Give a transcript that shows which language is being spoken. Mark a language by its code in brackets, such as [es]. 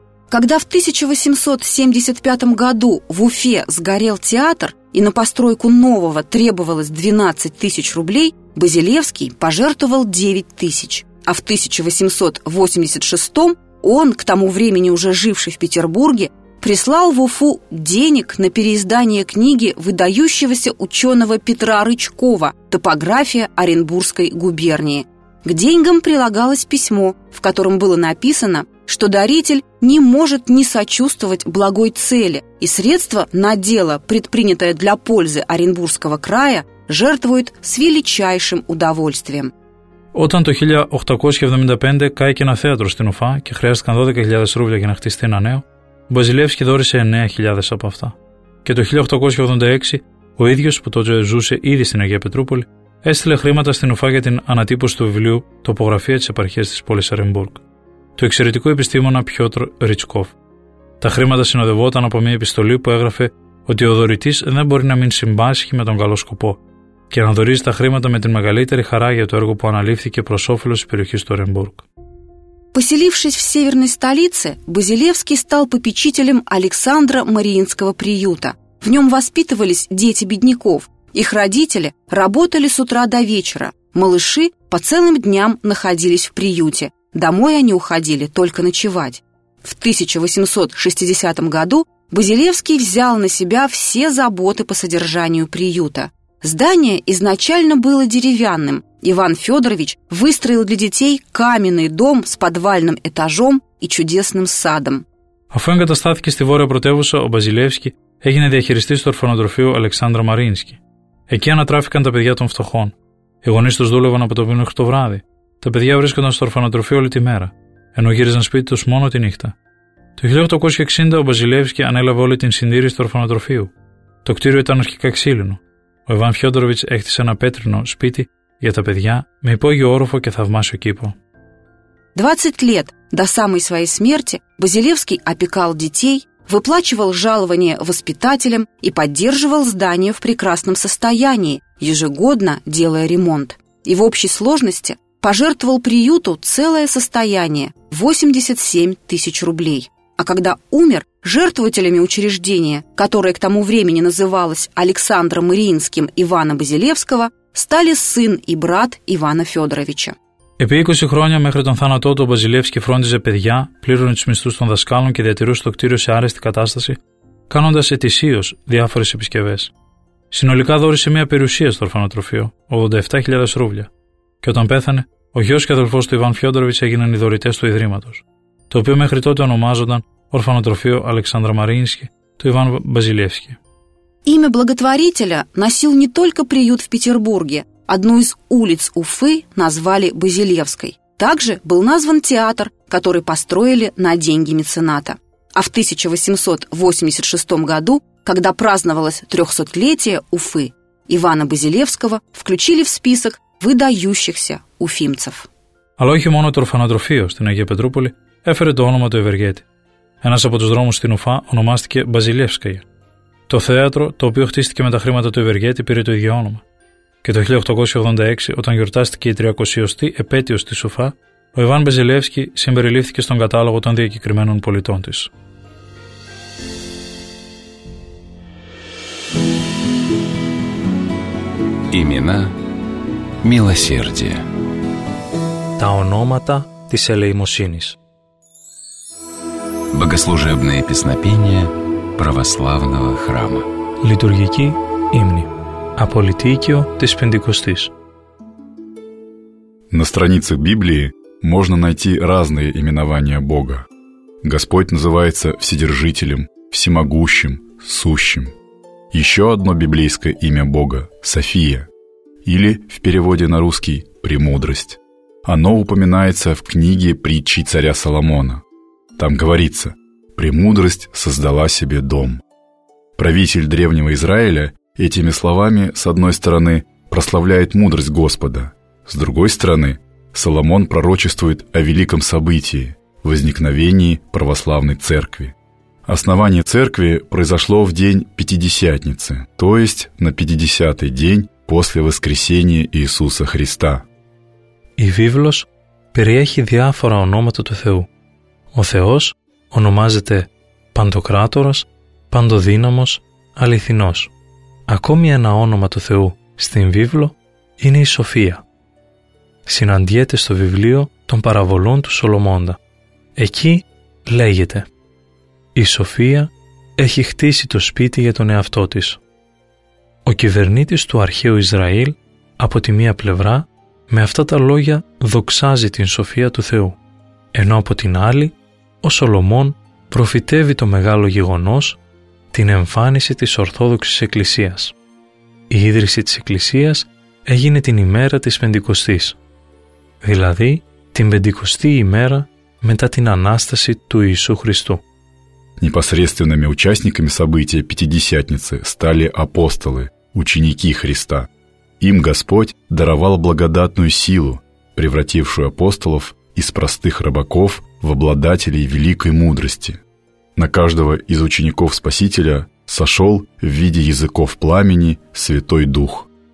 [ru] Когда в 1875 году в Уфе сгорел театр и на постройку нового требовалось 12 тысяч рублей, Базилевский пожертвовал 9 тысяч. А в 1886 он, к тому времени уже живший в Петербурге, прислал в Уфу денег на переиздание книги выдающегося ученого Петра Рычкова «Топография Оренбургской губернии». К деньгам прилагалось письмо, в котором было написано, что даритель не может не сочувствовать благой цели, и средства на дело, предпринятое для пользы Оренбургского края, жертвует с величайшим удовольствием. [el] Όταν το 1875 κάηκε ένα θέατρο στην Ουφά και χρειάστηκαν 12.000 ρούβλια για να χτιστεί ένα νέο, ο Базилевский δώρησε 9.000 από αυτά. Και το 1886, ο ίδιος που τότε ζούσε ήδη στην Αγία Πετρούπολη, έστειλε χρήματα στην Ουφά για την ανατύπωση του βιβλίου «Τοπογραφία της επαρχίας της πόλης Αρενμπούργκ» του εξαιρετικού επιστήμονα Πιότρ Ριτσκόφ. Τα χρήματα συνοδευόταν από μια επιστολή που έγραφε ότι ο δωρητής δεν μπορεί να μην συμπάσχει με τον καλό σκοπό και να δωρίζει τα χρήματα με την μεγαλύτερη χαρά για το έργο που αναλήφθηκε προς όφελος της περιοχής του Αρενμπούργκ. [ru] Поселившись в северной столице, Базилевский стал попечителем Александра Мариинского приюта. В нем воспитывались дети бедняков. Их родители работали с утра до вечера. Малыши по целым дням находились в приюте. Домой они уходили только ночевать. В 1860 году Базилевский взял на себя все заботы по содержанию приюта. Здание изначально было деревянным. Иван Федорович выстроил для детей каменный дом с подвальным этажом и чудесным садом. [el] Αφού εγκαταστάθηκε στη Βόρεια Πρωτεύουσα, ο Μπαζιλεύσκι έγινε διαχειριστής του ορφανοτροφείου Αλεξάνδρα Μαρίνσκι. Εκεί ανατράφηκαν τα παιδιά των φτωχών. Οι γονείς τους δούλευαν από το πρωί μέχρι το βράδυ. Τα παιδιά βρίσκονταν στο ορφανοτροφείο όλη τη μέρα, ενώ γύριζαν σπίτι τους μόνο τη νύχτα. Το 1860 ο Μπαζιλεύσκι ανέλαβε όλη την συντήρηση του ορφανοτροφείου. Το κτίριο ήταν αρχικά ξύλινο. Ο Ιβάν Φιόντοροβιτς έκτισε ένα πέτρινο σπίτι για τα παιδιά με υπόγειο όροφο και θαυμάσιο κήπο. [ru] 20 лет до самой своей смерти Базилевский опекал детей, выплачивал жалования воспитателям и поддерживал здание в прекрасном состоянии, ежегодно делая ремонт. И в общей сложности пожертвовал приюту целое состояние – 87 тысяч рублей. А когда умер, жертвователями учреждения, которое к тому времени называлось Александром Мариинским Ивана Базилевского, стали сын и брат Ивана Федоровича. [el] Επί 20 χρόνια μέχρι τον θάνατό του, ο Μπαζιλεύσκι φρόντιζε παιδιά, πλήρωνε τους μισθούς των δασκάλων και διατηρούσε το κτίριο σε άρεστη κατάσταση, κάνοντας ετησίως διάφορες επισκευές. Συνολικά δόρισε μια περιουσία στο ορφανοτροφείο, 87.000 ρούβλια. Και όταν πέθανε, ο γιος και αδελφός του Ιβάν Φιόντοροβιτς έγιναν οι δωρητές του Ιδρύματος, το οποίο μέχρι τότε ονομάζονταν Ορφανοτροφείο Αλεξάνδρα Μαρίνσκι του Ιβάν Μπαζιλεύσκι. [ru] Имя благотворителя носил не только приют в Петербурге. Одну из улиц Уфы назвали Базилевской. Также был назван театр, который построили на деньги мецената. А в 1886 году, когда праздновалось 300-летие Уфы, Ивана Базилевского включили в список выдающихся уфимцев. [el] Але όχι μόνο το ορφανοτροφείο στην Αγία Πετρούπολη έφερε το όνομα του Ευεργέτη. Ένας από τους δρόμους στην Ουφά ονομάστηκε Μπαζιλεύσκαια. Το θέατρο, το οποίο χτίστηκε με τα χρήματα του Ευεργέτη, πήρε το ίδιο όνομα. Και το 1886, όταν γιορτάστηκε η 300η επέτειος της Ουφά, ο Ιβάν Μπαζιλεύσκι συμπεριλήφθηκε στον κατάλογο των διακεκριμένων πολιτών της. [ru] Имена милосердия. [el] Τα ονόματα της ελεημοσύνης. [ru] Богослужебные песнопения православного храма. [el] Λειτουργική ύμνη. Απολυτίκιο της Πεντηκοστής. [ru] На странице Библии можно найти разные именования Бога. Господь называется Вседержителем, Всемогущим, Сущим. Еще одно библейское имя Бога – София, или в переводе на русский – Премудрость. Оно упоминается в книге притчи царя Соломона. Там говорится: «Премудрость создала себе дом». Правитель древнего Израиля этими словами, с одной стороны, прославляет мудрость Господа, с другой стороны, Соломон пророчествует о великом событии – возникновении православной церкви. Основание церкви произошло в день Пятидесятницы, то есть на 50-й день после воскресения Иисуса Христа. [el] И Библос переехи диафора ономата ту Theu. Ο Θεός ονομάζεται Παντοκράτορας, Παντοδύναμος, Αληθινός. Ακόμη ένα όνομα του Θεού στην Βίβλο είναι η Σοφία. Συναντιέται στο βιβλίο των παραβολών του Σολομώντα. Εκεί λέγεται: «Η Σοφία έχει χτίσει το σπίτι για τον εαυτό της». Ο κυβερνήτης του αρχαίου Ισραήλ από τη μία πλευρά με αυτά τα λόγια δοξάζει την Σοφία του Θεού, ενώ από την άλλη ο Σολομών προφητεύει το μεγάλο γεγονός, την εμφάνιση της Ορθόδοξης Εκκλησίας. Η ίδρυση της Εκκλησίας έγινε την ημέρα της Πεντηκοστής, δηλαδή την Πεντηκοστή ημέρα μετά την Ανάσταση του Ιησού Χριστού. [ru] Непосредственными участниками события Пятидесятницы стали апостолы, ученики Христа. Им Господь даровал благодатную силу, превратившую апостолов из простых рыбаков в обладателей великой мудрости. На каждого из учеников Спасителя сошел в виде языков пламени Святой Дух.